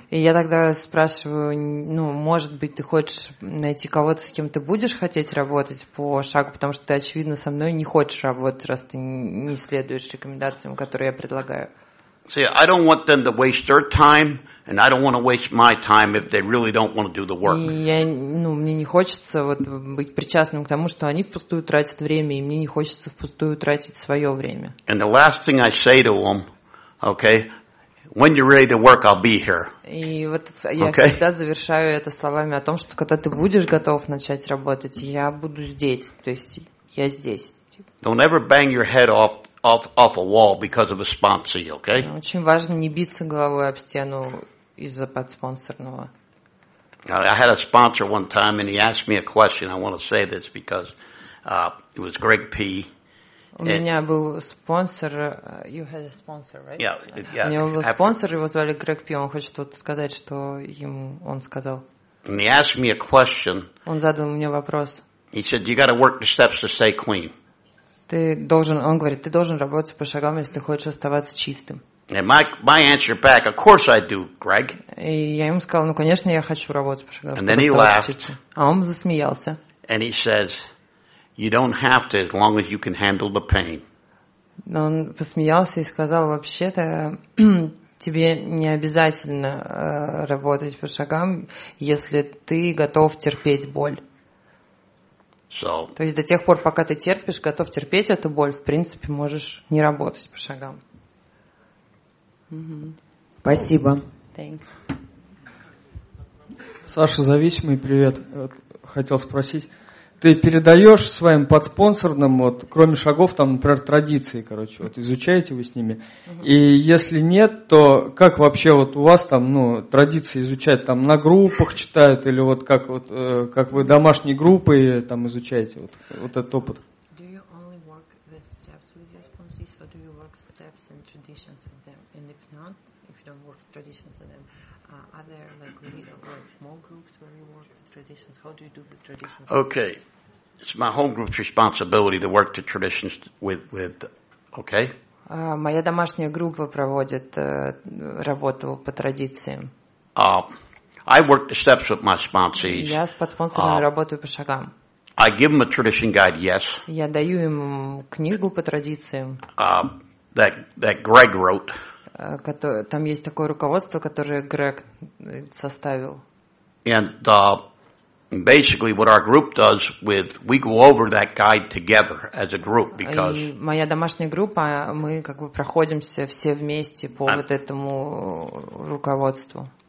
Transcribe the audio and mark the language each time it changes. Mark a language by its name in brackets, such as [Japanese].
[Russian] И я тогда спрашиваю, может быть, ты хочешь найти кого-то, с кем ты будешь хотеть работать по шагу, потому что ты, очевидно, со мной не хочешь работать, раз ты не следуешь рекомендациям, которые я предлагаю. [English] See, I don't want them to waste their time, and I don't want to waste my time if they really don't want to do the work. [Russian] И я, мне не хочется вот быть причастным к тому, что они впустую тратят время, и мне не хочется впустую тратить свое время. [English] And the last thing I say to them, okay, when you're ready to work, I'll be here. [Russian] И вот я всегда завершаю это словами о том, что когда ты будешь готов начать работать, я буду здесь, то есть я здесь. [English] Don't ever bang your head off a wall because of a sponsor, okay? [Russian] Очень важно не биться головой об стену из-за подспонсорного. [English] I had a sponsor one time, and he asked me a question. I want to say this because it was Greg P. [Russian] У меня был спонсор, [English] you had a sponsor, right? Yeah. [Russian] У него был спонсор, его звали Грег Пи, он хочет вот сказать, что ему он сказал. [English] And he asked me a question. [Russian] Он задал мне вопрос. [English] He said, you got to work the steps to stay clean. [Russian] Ты должен, он говорит, ты должен работать по шагам, если ты хочешь оставаться чистым. [English] And my answer back, of course I do, Greg. [Russian] И я ему сказал, ну, конечно, я хочу работать по шагам. [English] And then he laughed. [Russian] А он засмеялся. [English] And he says, you don't have to as long as you can handle the pain. [Russian] Но он посмеялся и сказал, вообще-то тебе не обязательно работать по шагам, если ты готов терпеть боль. [English] So, [Russian] то есть до тех пор, пока ты терпишь, готов терпеть эту боль, в принципе, можешь не работать по шагам. Mm-hmm. Спасибо. [English] Thanks. [Russian] Саша, зависимый, привет. Вот, хотел спросить. Ты передаешь своим подспонсорным, вот, кроме шагов, там, например, традиции, короче, вот изучаете вы с ними. Uh-huh. И если нет, то как вообще вот у вас там, ну, традиции изучать, там на группах читают, или вот как вот как вы домашние группы там изучаете, вот, вот этот опыт? [English] Do you only work the steps with your sponsors, or do you work steps and traditions with them? And if not, if you don't work traditions with them, are there like little or small groups where you work? Traditions. How do you do the traditions? Okay. It's my home group's responsibility to work the traditions with okay? [Russian] Моя домашняя группа проводит работу по традициям. [English] I work the steps with my sponsees. [Russian] Я с подспонсорами работаю по шагам. [English] I give them a tradition guide, yes. [Russian] Я даю им книгу по традициям. [English] That Greg wrote. [Russian] Там есть такое руководство, которое Грег составил. [English] And basically, what our group does with we go over that guide together as a group because. [Russian] И моя домашняя группа, мы как бы проходимся все вместе по вот этому руководству.